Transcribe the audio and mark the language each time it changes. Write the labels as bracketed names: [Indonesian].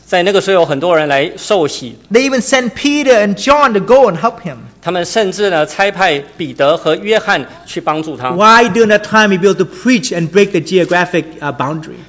[Chinese] 在那个时候，有很多人来受洗. [English] They even sent Peter and John to go and help him. [Chinese] 他们甚至呢，差派彼得和约翰去帮助他。 [English] Why during that time he built to preach and break the geographic boundary?